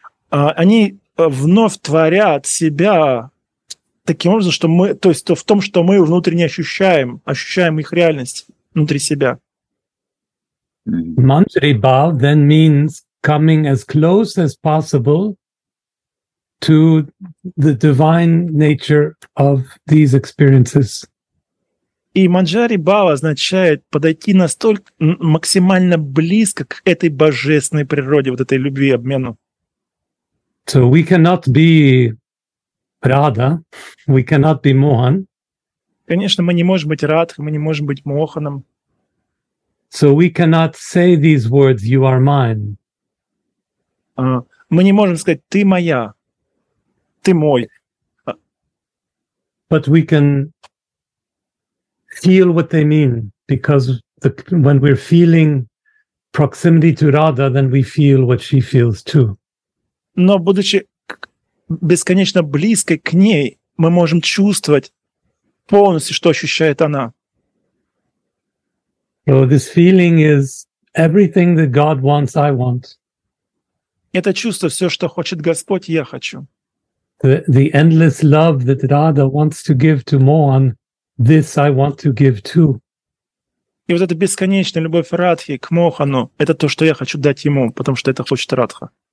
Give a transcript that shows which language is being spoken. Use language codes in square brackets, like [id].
[ru] Они вновь творят себя таким образом, что мы, то есть в том, что мы внутренне ощущаем их реальность внутри себя. [en] Manjari Bhav then means coming as close as possible to the divine nature of these experiences. [ru] И Manjari Bhav означает подойти настолько максимально близко к этой божественной природе, вот этой любви, обмену. [en] So we cannot be Radha, we cannot be Mohan. [ru] Конечно, мы не можем быть Радхой, мы не можем быть Моханом. [en] So we cannot say these words, you are mine. [ru] Мы не можем сказать, ты моя, ты мой. [en] But we can feel what they mean, because when we're feeling proximity to Radha, then we feel what she feels too. [ru] Но будучи бесконечно близкой к ней, мы можем чувствовать полностью, что ощущает она. [en] So this feeling is everything that God wants, I want. [ru] Это чувство, все, что хочет Господь, я хочу. [en] The endless love that Radha wants to give to Mohan, this I want to give too. [ru] И вот эта бесконечная любовь Радхи к Мохану, это то, что я хочу дать ему, потому что это хочет Радха.